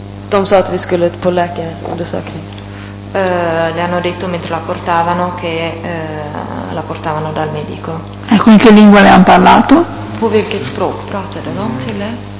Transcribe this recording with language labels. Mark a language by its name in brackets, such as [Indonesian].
[Swedish] De sa att vi skulle på läkarundersökning. [Italian] Le hanno detto mentre la portavano che la portavano dal medico. Ecco, in che lingua le hanno parlato? [Swedish] På vilket språk pratade de till er?